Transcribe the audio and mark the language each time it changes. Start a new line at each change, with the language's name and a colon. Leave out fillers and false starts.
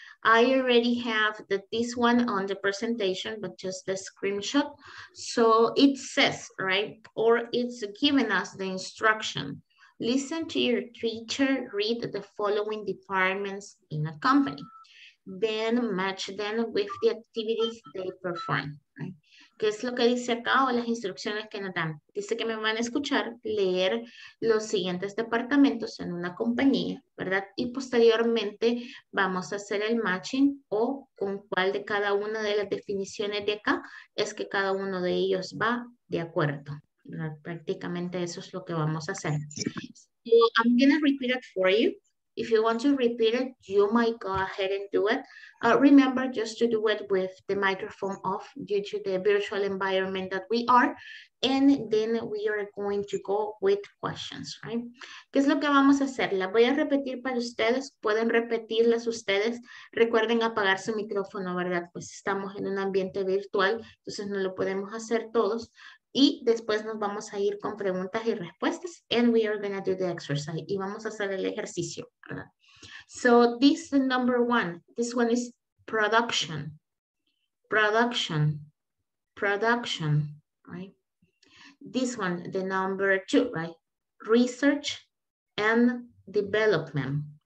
English: I already have this one on the presentation, but just the screenshot. So it says, right, or it's giving us the instruction. Listen to your teacher, read the following departments in a company. Then match them with the activities they perform, right?
Spanish: ¿Qué es lo que dice acá o las instrucciones que nos dan? Dice que me van a escuchar leer los siguientes departamentos en una compañía, ¿verdad? Y posteriormente vamos a hacer el matching o con cuál de cada una de las definiciones de acá es que cada uno de ellos va de acuerdo, ¿verdad? Prácticamente eso es lo que vamos a hacer.
English: So I'm going to repeat it for you. If you want to repeat it, you might go ahead and do it. Remember just to do it with the microphone off due to the virtual environment that we are. And then we are going to go with questions, right?
Spanish: ¿Qué es lo que vamos a hacer? La voy a repetir para ustedes. Pueden repetirlas ustedes. Recuerden apagar su micrófono, ¿verdad? Pues estamos en un ambiente virtual, entonces no lo podemos hacer todos. Y después nos vamos a ir con preguntas y respuestas.
English: And we are going to do the exercise.
Spanish: Y vamos a hacer el ejercicio, ¿verdad?
English: So this is number one. This one is production. Production. Production. Right? this one, the number two, right? Research and development.